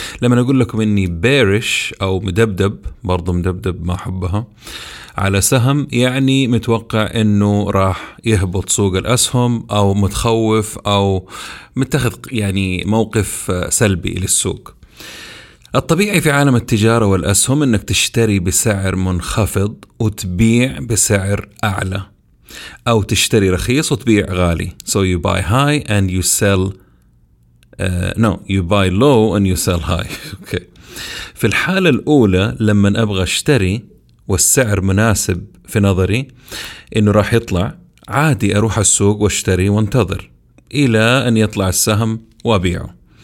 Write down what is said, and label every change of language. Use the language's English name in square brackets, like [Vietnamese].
[Arabic] لما اقول لكم اني بيرش او مدبدب، برضو مدبدب ما احبها، على سهم يعني متوقع انه راح يهبط سوق الاسهم او متخوف او متخذ يعني موقف سلبي للسوق. الطبيعي في عالم التجارة والأسهم أنك تشتري بسعر منخفض وتبيع بسعر أعلى، أو تشتري رخيص وتبيع غالي. [English] So you buy high and you sell you buy low and you sell high. [Arabic] في الحالة الأولى لما أبغى أشتري والسعر مناسب في نظري أنه راح يطلع، عادي أروح السوق واشتري وانتظر إلى أن يطلع السهم وأبيعه.